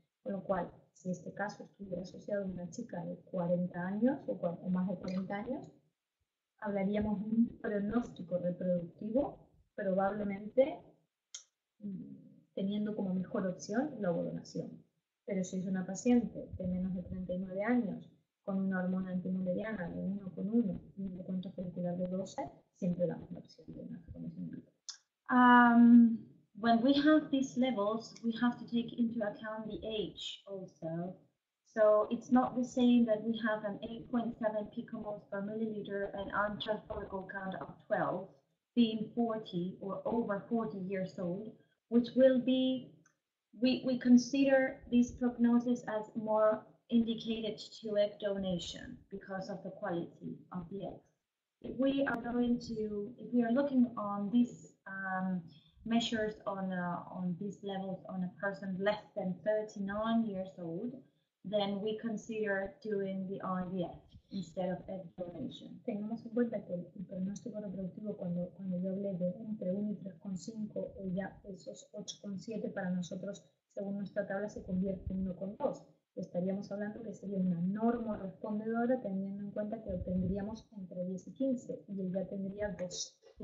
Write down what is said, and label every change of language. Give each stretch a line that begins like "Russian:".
Spanish: Con lo cual, si este caso estuviera asociado a una chica de 40 años o más de 40 años, hablaríamos de un pronóstico reproductivo probablemente teniendo como mejor opción la ovodonación. Pero si es una paciente de menos de 39 años con una hormona antimuliana de 1,1 y un recuento folicular de 12, siempre damos la opción de una ovodonación.
English: When we have these levels, we have to take into account the age also. So it's not the same that we have an 8.7 picomoles per milliliter and antral follicle count of 12. Being 40 or over 40 years old, which will be, we consider this prognosis as more indicated to egg donation because of the quality of the eggs. If we are looking on these measures on these levels on a person less than 39 years old, then we consider doing the IVF instead of egg donation.
Spanish: Tenemos en cuenta que el pronóstico reproductivo cuando yo hablé de entre 1 y 3,5 o ya esos 8,7 para nosotros según nuestra tabla se convierte en 1,2. Estaríamos hablando que sería una norma respondedora teniendo en cuenta que obtendríamos entre 10 y 15 y él ya tendría 2.